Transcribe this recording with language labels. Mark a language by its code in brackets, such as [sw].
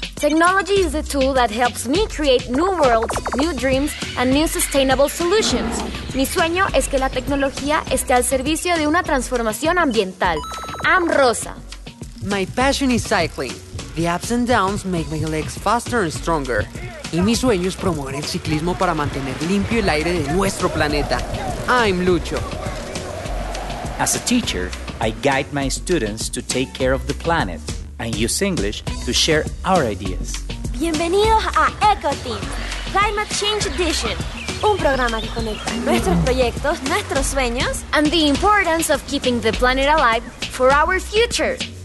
[en] Technology is the tool that helps me create new worlds, new dreams, and new sustainable solutions. [es] Mi sueño es que la tecnología esté al servicio de una transformación ambiental. [en] I'm Rosa. My passion is cycling. The ups and downs make my legs faster and stronger. [es] Y mi sueño es promover el ciclismo para mantener limpio el aire de nuestro planeta. [en] I'm Lucho. As a teacher, I guide my students to take care of the planet and use English to share our ideas. [es] Bienvenidos a EcoTeam, Climate Change Edition, un programa que conecta nuestros proyectos, nuestros sueños, [en] and the importance of keeping the planet alive for our future.